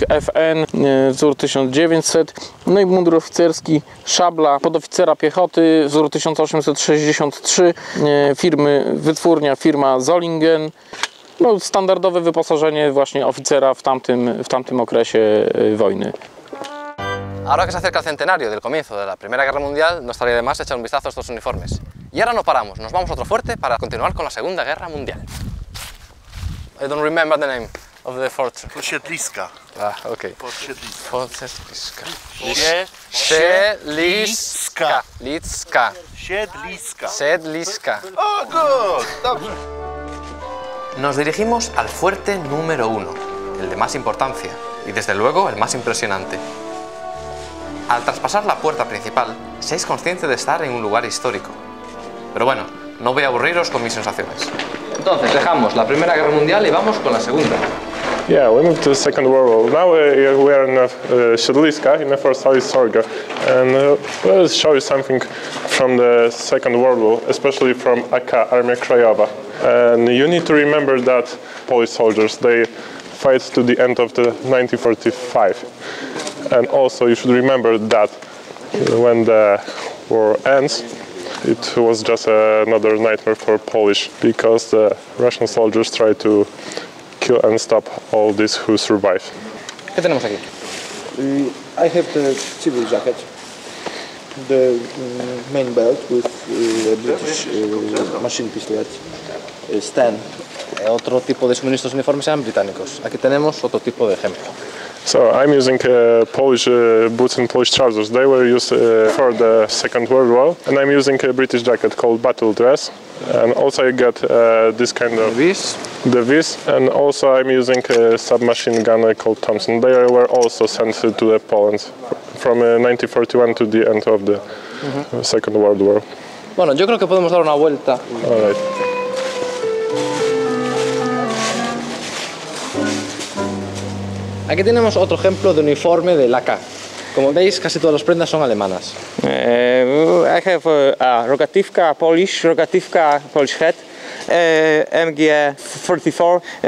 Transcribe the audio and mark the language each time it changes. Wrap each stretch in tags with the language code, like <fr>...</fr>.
<pl>FN, wzór 1900, no i mundur oficerski, szabla podoficera piechoty, wzór 1863, wytwórnia firma Zollingen. No, standardowe wyposażenie właśnie oficera w tamtym okresie wojny.</pl> <es>Ahora que se acerca el centenario del comienzo de la Primera Guerra Mundial, no estaría de más echar un vistazo a estos uniformes. Y ahora no paramos, nos vamos a otro fuerte para continuar con la Segunda Guerra Mundial.</es> <en>I don't remember the name of the fort.</en> <pl>Posiedliska.</pl> <en>Ah, okay.</en> <pl>Posiedliska. Posiedliska. Litska. Siedliska. Siedliska.</pl> <en>Oh, good!</en> <es>Nos dirigimos al fuerte número 1, el de más importancia y desde luego el más impresionante. Al traspasar la puerta principal, seáis conscientes de estar en un lugar histórico. Pero bueno, no voy a aburriros con mis sensaciones. Entonces, dejamos la Primera Guerra Mundial y vamos con la Segunda.</es> <en>Yeah, we moved to the Second World War. Now we are in Siedliska, in the first story Sorga. And let's show you something from the Second World War, especially from AK, Armia Krajowa. And you need to remember that Polish soldiers, they fight to the end of the 1945. And also you should remember that when the war ends, it was just another nightmare for Polish, because the Russian soldiers tried to kill and stop all these who survived. What do we have here? I have the civil jacket, the main belt with the British machine pistolet, Sten.</en> <es>Otro tipo de suministros uniformes eran británicos. Aquí tenemos otro tipo de ejemplo.</es> <en>So I'm using Polish boots and Polish trousers. They were used for the Second World War. And I'm using a British jacket called battle dress. And also I get this kind of... The vis. And also I'm using a submachine gun called Thompson. They were also sent to the Poland from 1941 to the end of the Second World War.</en> <es>Bueno, yo creo que podemos dar una vuelta.</es> <en>All right.</en> <es>Aquí tenemos otro ejemplo de uniforme de laca. Como veis, casi todas las prendas son alemanas.</es> <en>I have a rogatifka, Polish rogatifka, Polish hat, MG44.</en>